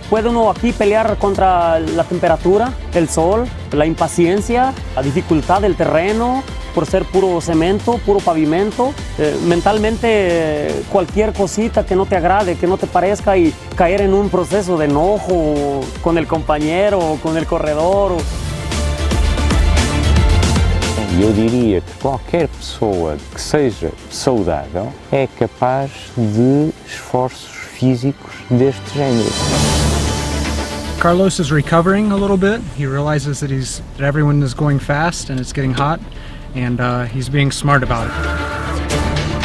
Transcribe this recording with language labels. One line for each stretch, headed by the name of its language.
Spanish: Puede uno aquí pelear contra la temperatura, el sol, la impaciencia, la dificultad del terreno, por ser puro cemento, puro pavimento. Mentalmente, cualquier cosita que no te agrade, que no te parezca y caer en un proceso de enojo con el compañero, con el corredor.
Portuguese: Eu diria que qualquer pessoa que seja saudável é capaz de esforços físicos deste género.
English: Carlos is recovering a little bit. He realizes that everyone is going fast and it's getting hot, and he's being smart about it.